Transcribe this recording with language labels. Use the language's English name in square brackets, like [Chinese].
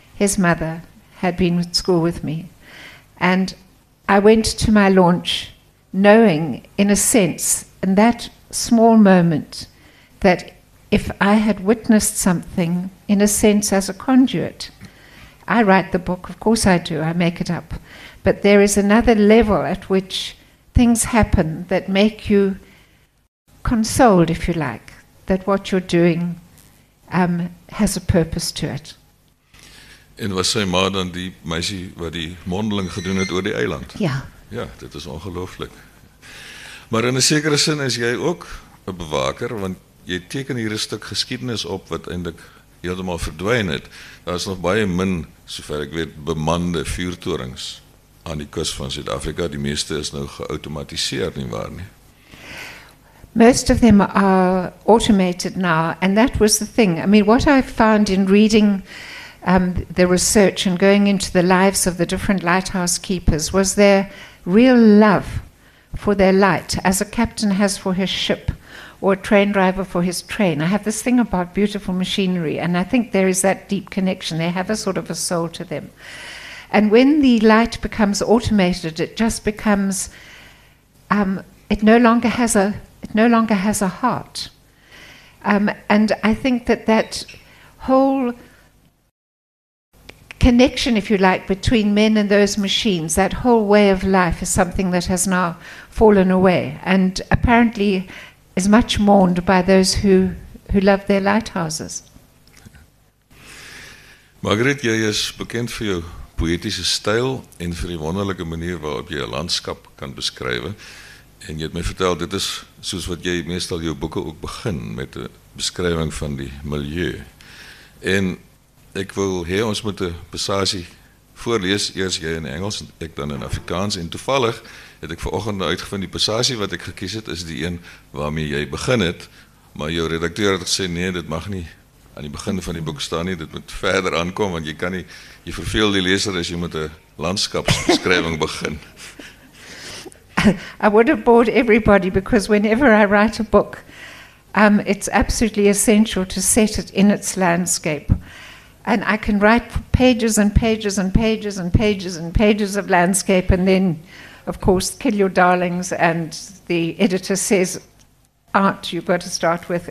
[English] His mother had been at school with me. And I went to my launch knowing, in a sense, in that small moment, that if I had witnessed something, in a sense, as a conduit, I write the book, of course I do, I make it up. But there is another level at which things happen that make you consoled, if you like, that what you're doing has a purpose to it. [Afrikaans] En was sy ma dan die meisie wat die mondeling gedoen het oor die eiland? Ja. Ja, dit is ongelooflik. Maar in 'n sekere sin is jy ook 'n bewaker, want jy teken hier 'n stuk geskiedenis op wat eindelijk heeltemal verdwyn het. Daar is nog baie min, sover ek weet, bemande vuurtorings aan die kus van Suid-Afrika. Die meeste is nou geautomatiseer, nie waar nie? [English] Most of them are automated now, and that was the thing. I mean, what I found in reading the research and going into the lives of the different lighthouse keepers was their real love for their light, as a captain has for his ship or a train driver for his train. I have this thing about beautiful machinery, and I think there is that deep connection. They have a sort of a soul to them. And when the light becomes automated, it just becomes, it no longer has a heart. And I think that whole connection, if you like, between men and those machines, that whole way of life is something that has now fallen away and apparently is much mourned by those who love their lighthouses. [Afrikaans] Margaret, jy is bekend vir jou poëtiese styl en vir die wonderlike manier waarop jy 'n landskap kan beskryf. En jy het my vertel, dit is soos wat jy meestal jou boeke ook begin, met 'n beskrywing van die milieu. En ek wil hê ons moet 'n passasie voorlees, eers jy in Engels, ek dan in Afrikaans, en toevallig het ek vanoggend uitgevind, die passasie wat ek gekies het, is die een waarmee jy begin het, maar jou redakteur het gesê, nee, dit mag nie aan die begin van die boek staan nie, dit moet verder aankom, want jy kan nie, jy verveel die leser as jy met 'n landskapsbeskrywing begin. [English] I would have bored everybody, because whenever I write a book, it's absolutely essential to set it in its landscape. And I can write pages and pages and pages and pages and pages of landscape, and then, of course, kill your darlings, and the editor says, aunt, you've got to start with...